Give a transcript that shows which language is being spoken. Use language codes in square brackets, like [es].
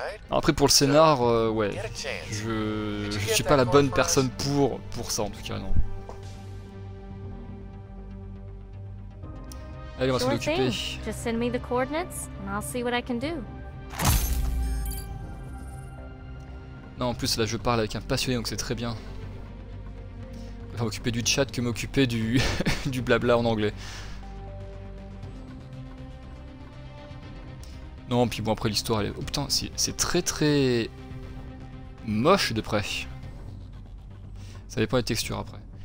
[fr] Après pour le scénar, ouais, je suis pas la bonne personne pour ça en tout cas, non. Allez, on va s'en occuper. [en] Just send me the coordinates and I'll see what I can do. [fr] Non, en plus là je parle avec un passionné donc c'est très bien. Je vais m'occuper du chat que m'occuper du du blabla en anglais. Non, puis bon, après l'histoire, elle est... oh putain, c'est très très moche de près. Ça dépend des textures après.